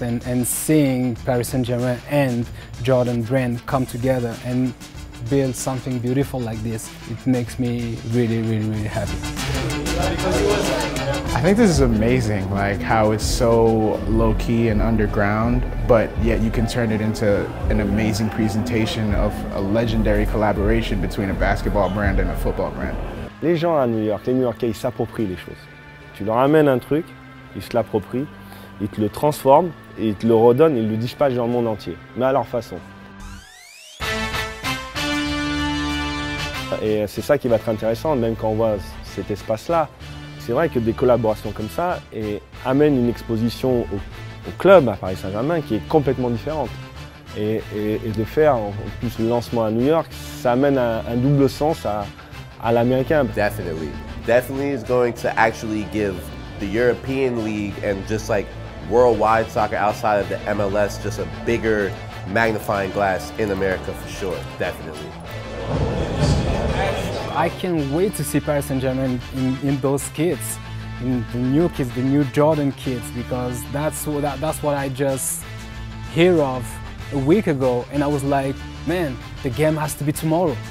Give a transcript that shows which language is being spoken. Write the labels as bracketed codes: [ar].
[en] And seeing Paris Saint-Germain and Jordan Brand come together and build something beautiful like this, it makes me really, really, really happy. I think this is amazing, like how it's so low-key and underground, but yet you can turn it into an amazing presentation of a legendary collaboration between a basketball brand and a football brand. [fr] Les gens à New York, les New Yorkais, ils s'approprient les choses. Tu leur amènes un truc, ils se l'approprient, ils te le transforment, et ils te le redonnent, ils le dispatchent dans le monde entier, mais à leur façon. Et c'est ça qui va être intéressant, même quand on voit cet espace-là. C'est vrai que des collaborations comme ça et amènent une exposition au club à Paris Saint-Germain qui est complètement différente. Et de faire en plus le lancement à New York, ça amène un double sens à l'américain. [en] Definitely. Definitely is going to actually give the European League and just like worldwide soccer outside of the MLS just a bigger magnifying glass in America for sure. Definitely. I can't wait to see Paris Saint-Germain in those kids, in the new kids, the new Jordan kids, because that's what I just hear of a week ago, and I was like, man, the game has to be tomorrow.